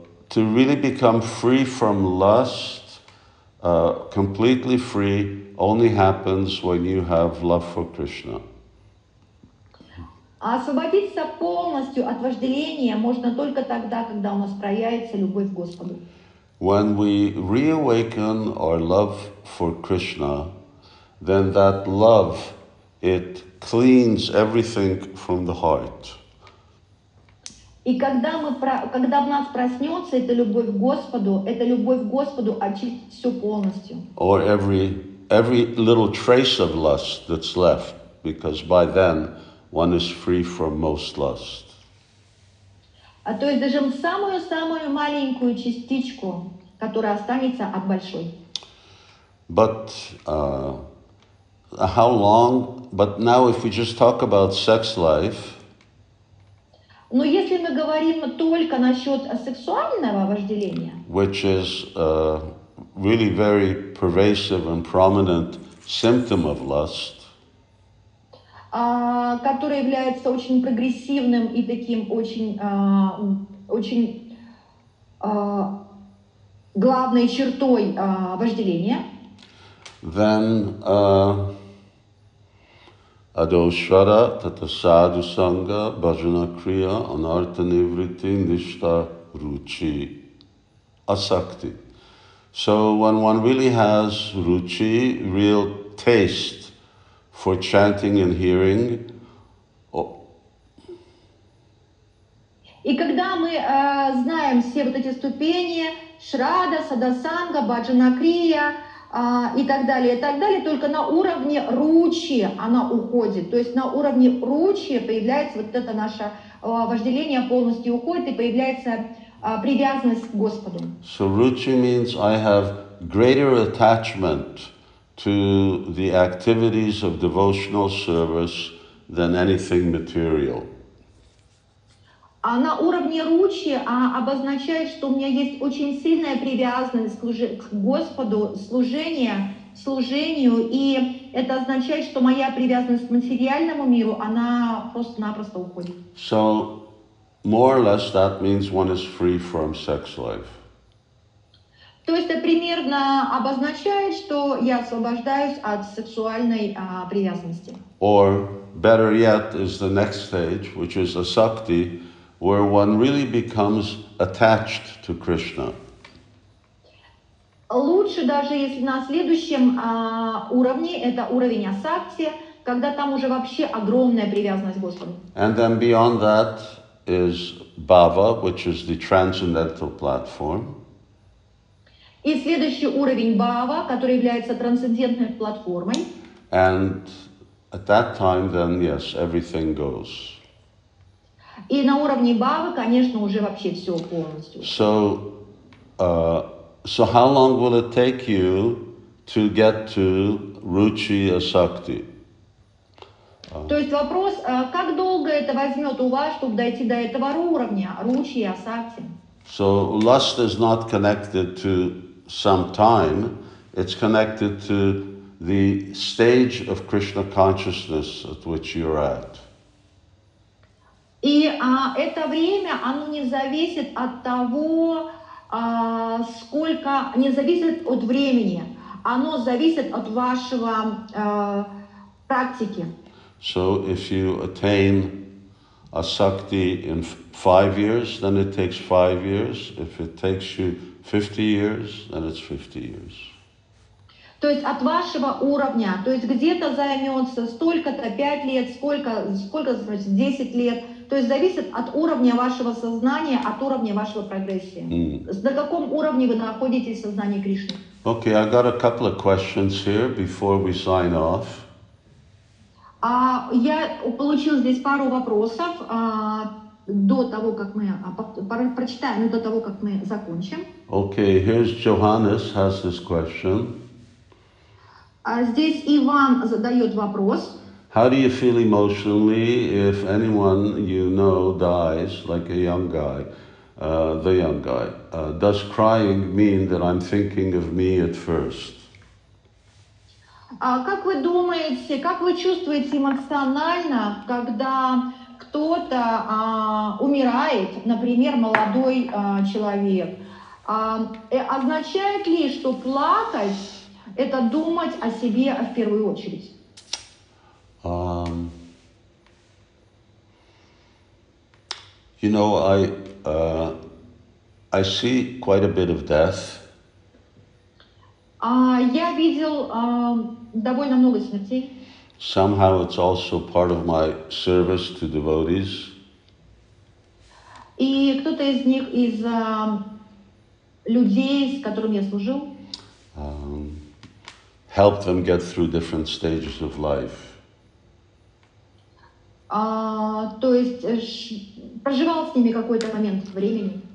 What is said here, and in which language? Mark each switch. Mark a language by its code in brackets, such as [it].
[en] To really become free from lust, completely free, only happens when you have love for Krishna. [ru] Освободиться полностью от вожделения можно только тогда, когда у нас проявится любовь к Господу. [en] When we reawaken our love for Krishna, then that love, it cleans everything from the heart. [ru] И когда в нас проснется эта любовь к Господу очистит все полностью. [en] Or every little trace of lust that's left, because by then one is free from most lust. [ru] А то есть даже самую-самую маленькую частичку, которая останется от большой. [en] But how long? But now if we just talk about sex life, [ru] но если мы говорим только насчет сексуального вожделения, [en] which is really very pervasive and prominent symptom of lust, [ru] который является очень прогрессивным и таким очень главной чертой вожделения, [en] then Adoshvara, Tatasadu Sangha, Bhajana Kriya, Anartha Nivriti, Nishta, Ruchi, Asakti. So when one really has Ruchi, real taste for chanting and hearing, [ru] и когда мы знаем все вот эти ступени, Шрада, Садасанга, Бхаджана Крия, и так далее, только на уровне ручи она уходит. То есть на уровне ручи появляется вот это наше вожделение полностью уходит и появляется привязанность к Господу. [en] So ruchi means I have greater attachment to the activities of devotional service than anything material. [ru] А на уровне ручи обозначает, что у меня есть очень сильная привязанность к Господу, служению, и это означает, что моя привязанность к материальному миру, она просто-напросто уходит. [en] So, more or less, that means one is free from sex life. [ru] То есть это примерно обозначает, что я освобождаюсь от сексуальной привязанности. [en] Or, better yet, is the next stage, which is asakti, where one really becomes attached to Krishna. [ru] Лучше даже если на следующем уровне, это уровень асакти, когда там уже вообще огромная привязанность к Господу. [en] And then beyond that is bhava, which is the transcendental platform. [ru] И следующий уровень бхава, который является трансцендентной платформой. [en] And at that time, then, yes, everything goes. [ru] И на уровне бхавы, конечно, уже вообще все полностью. [en] So how long will it take you to get to ruchi asakti? [ru] То есть вопрос, как долго это возьмет у вас, чтобы дойти до этого уровня, ruchi и asakti? [en] So lust is not connected to some time, it's connected to the stage of Krishna consciousness at which you're at. [ru] И это время, оно не зависит от того, сколько, не зависит от времени, оно зависит от вашего практики. [en] So if you attain asakti in 5 years, then it takes 5 years. If it takes you 50 years, then it's 50 years. [ru] То есть от вашего уровня, то есть где-то займется столько-то 5 лет, сколько значит 10 лет. То есть зависит от уровня вашего сознания, от уровня вашего прогрессии. На каком уровне вы находитесь в сознании Кришны? [en] Okay, I got a couple of questions here before we sign off. [ru] Я получил здесь пару вопросов до того, как мы прочитаем, до того, как мы закончим. [en] Okay, here's Johannes has this question. [ru] Здесь Иван задает вопрос. [en] How do you feel emotionally if anyone you know dies, like a young guy, the young guy? Does crying mean that I'm thinking of me at first? [ru] Как вы думаете, как вы чувствуете эмоционально, когда кто-то умирает, например, молодой человек? Означает ли, что плакать – это думать о себе в первую очередь? [en] You know, I see quite a bit of death. [ru] Я видел довольно много смертей. [en] Somehow it's also part of my service to devotees. [ru] И кто-то из них из людей, с которыми я служил, [en] help them get through different stages of life. [ru] То есть проживал с ними какой-то момент времени.